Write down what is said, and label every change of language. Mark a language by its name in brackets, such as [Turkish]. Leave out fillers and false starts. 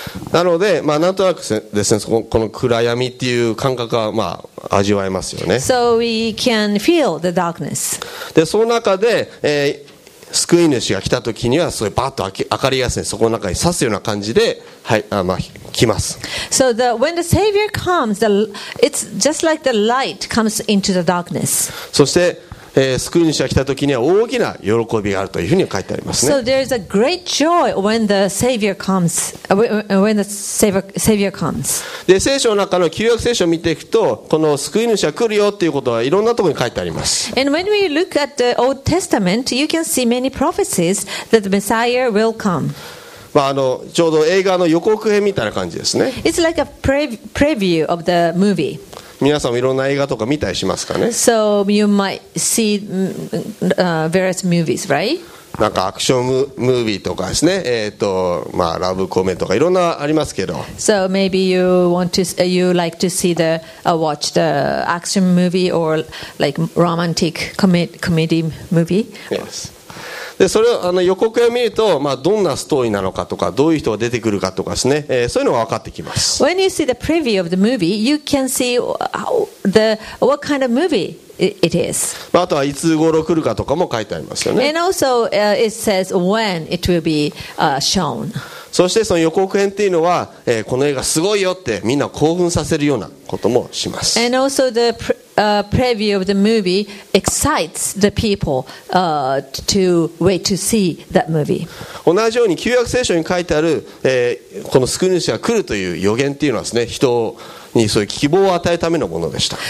[Japanese] なので、まあ、なんとなくですね、この暗闇っていう感覚は、まあ、味わえますよね。 [English] So we can feel the darkness. [Japanese] で、その中で、救い主が来た時には、それバッと明かりがですね、そこの中に刺すような感じで、はい、あ、まあ、来ます。 [English] So the, when the Savior comes, the, it's just like the light comes into the darkness. [Japanese] そして、救い主が来た時には大きな喜びがあるというふうに書いてありますね。 [English] So there is a great joy when the Savior comes, when the Savior comes. [Japanese] で、聖書の中の旧約聖書を見ていくと、この救い主が来るよっていうことはいろんなところに書いてあります。 [English] And when we look at the Old Testament, you can see many prophecies that the Messiah will come. [Japanese] まあ、あのちょうど映画の予告編みたいな感じですね。 [English] It's like a preview of the movie. [Japanese] 皆さんもいろんな映画とか見たりしますかね。 [English] So you might see various movies, right? [Japanese] なんかアクションムービーとかですね、まあ、ラブコメとかいろんなありますけど。 [English] So maybe you want to, you like to see the, watch the action movie or like romantic comedy movie? Yes. [Japanese] でそれをあの予告を見ると、まあ、どんなストーリーなのかとかどういう人が出てくるかとかですね、そういうのが分かってきます。 [English] When you see the preview of the movie, you can see how, the, what kind of movie it is. [Japanese] あとはいつ頃来るかとかも書いてありますよね。 [English] And also, it says when it will be, shown. [Japanese] そしてその予告編っていうのは、この映画すごいよってみんな興奮させるようなこともします。 [English] And also the preview of the movie excites the people, to wait to see that movie. [Japanese] 同じように旧約聖書に書いてある、この救い主が来るという予言っていうのはですね、人にそういう希望を与えるためのものでした。